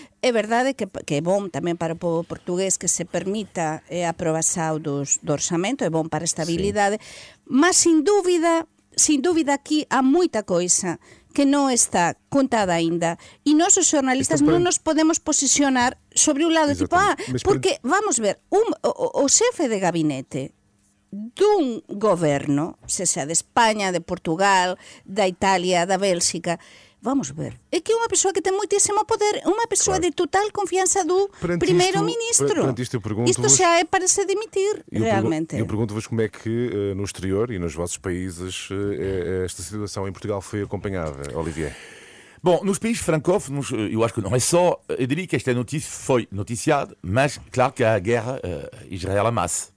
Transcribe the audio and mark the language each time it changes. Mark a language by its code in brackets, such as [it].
[pt] É verdade que é bom tamén para o povo portugués que se permita a aprobação do orçamento, é bom para a estabilidade. Sim. Mas, sem dúvida, aqui há muita coisa que não está contada ainda. E nós, os jornalistas, não nos podemos posicionar sobre um lado. [gl] Exatamente. Tipo, porque, vamos ver, o chefe de gabinete dun governo, se sea de España, de Portugal, da Italia, da Bélxica, vamos ver, é que é unha persoa que ten moitísimo poder, unha persoa, claro, de total confianza do primeiro ministro. Isto xa é para se demitir, realmente. [pt] E eu pergunto-vos como é que no exterior e nos vossos países esta situação em Portugal foi acompanhada, Olivier? Bom, nos países francófonos, eu acho que não é só, eu diria que esta notícia foi noticiada, mas claro que há a guerra Israel-Hamas.